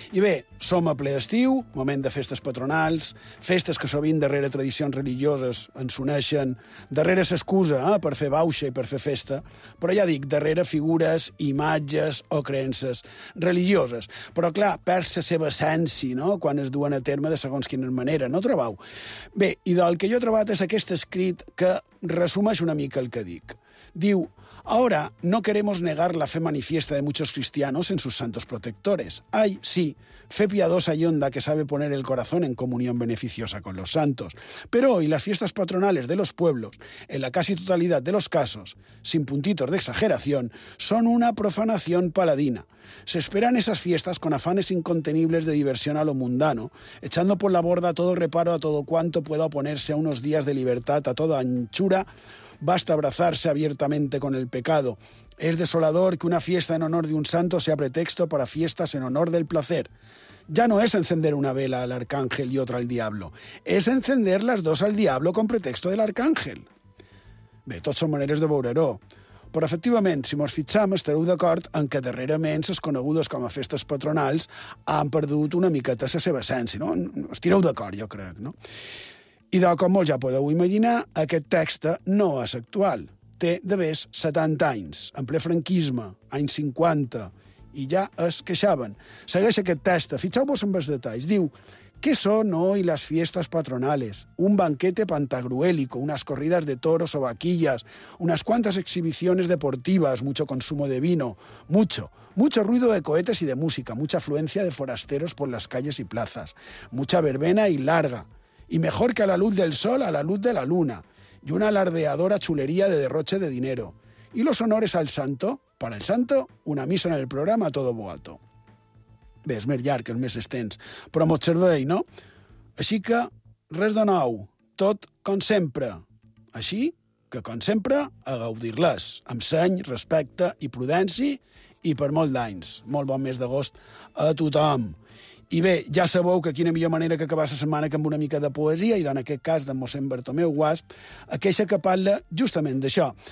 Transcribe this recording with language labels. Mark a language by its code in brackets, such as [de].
[ca] I bé, som a ple estiu, moment de festes patronals, festes que sovint darrere tradicions religioses ens uneixen, darrere s'excusa per fer bauxa i per fer festa, però ja dic, darrere figures, imatges o creences religioses. Però clar, perd la seva essència, no?, quan es duen a terme de segons quina manera, no trobeu? Bé, idò, el que jo he trobat és aquest escrit que resumeix una mica el que dic. [es] Diu, ahora no queremos negar la fe manifiesta de muchos cristianos en sus santos protectores. Hay, sí, fe piadosa y honda que sabe poner el corazón en comunión beneficiosa con los santos. Pero hoy las fiestas patronales de los pueblos, en la casi totalidad de los casos, sin puntitos de exageración, son una profanación paladina. Se esperan esas fiestas con afanes incontenibles de diversión a lo mundano, echando por la borda todo reparo a todo cuanto pueda oponerse a unos días de libertad a toda anchura. Basta abrazarse abiertamente con el pecado. Es desolador que una fiesta en honor de un santo sea pretexto para fiestas en honor del placer. Ya no es encender una vela al arcángel y otra al diablo. Es encender las dos al diablo con pretexto del arcángel. [ca] Bé, tots són maneres de veure-ho. Però, efectivament, si mos fitxam, estareu d'acord en que darrerament les conegudes com a festes patronals han perdut una miqueta la seva essència. No? Estireu d'acord, jo crec, no? I de com molt ja podeu imaginar, aquest text no és actual. Té d'haver 70 anys, en ple franquisme, anys 50, i ja es queixaven. Segueix aquest text, fixeu-vos en els detalls. [es] Diu, ¿qué son hoy las fiestas patronales? Un banquete pantagruélico, unas corridas de toros o vaquillas, unas cuantas exhibiciones deportivas, mucho consumo de vino, mucho. Mucho ruido de cohetes y de música, mucha afluencia de forasteros por las calles y plazas, mucha verbena y larga. Y mejor que a la luz del sol, a la luz de la luna. Y una alardeadora chulería de derroche de dinero. Y los honores al santo, para el santo, una misa en el programa a todo boato. [ca] Bé, és més llarg, és més extens. Però m'ho observei, no? Així que, res de nou. Tot com sempre. Així que, com sempre, a gaudir-les. Amb seny, respecte i prudència i per molt d'anys. Molt bon mes d'agost a tothom. I bé, ja sabeu que quina millor manera que acabar la setmana que amb una mica de poesia, i en aquest cas de mossèn Bartomeu Guasp, aquesta que parla justament d'això.